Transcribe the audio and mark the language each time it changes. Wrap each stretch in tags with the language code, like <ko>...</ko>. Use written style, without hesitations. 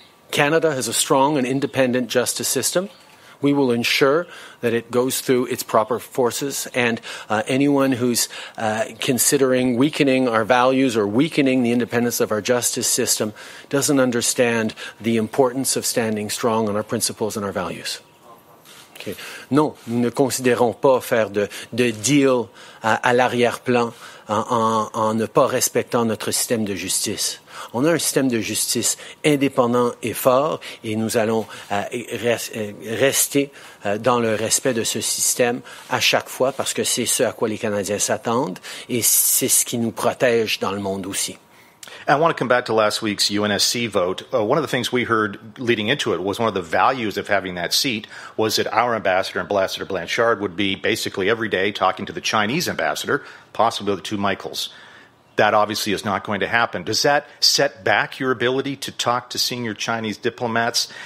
<en>Canada has a strong and independent justice system. We will ensure that it goes through its proper forces, and anyone who's considering weakening our values or weakening the independence of our justice system doesn't understand the importance of standing strong on our principles and our values. Okay.</en> <fr>Non, nous ne considérons pas faire de deal à l'arrière-plan en ne pas respectant notre système de justice. On a un système de justice indépendant et fort et nous allons rester dans le respect de ce système à chaque fois parce que c'est ce à quoi les Canadiens s'attendent et c'est ce qui nous protège dans le monde aussi.</fr> <en>I want to come back to last week's UNSC vote. One of the things we heard leading into it was one of the values of having that seat was that our ambassador Blanchard would be basically every day talking to the Chinese ambassador, possibly the two Michaels. That obviously is not going to happen. Does that set back your ability to talk to senior Chinese diplomats?</en>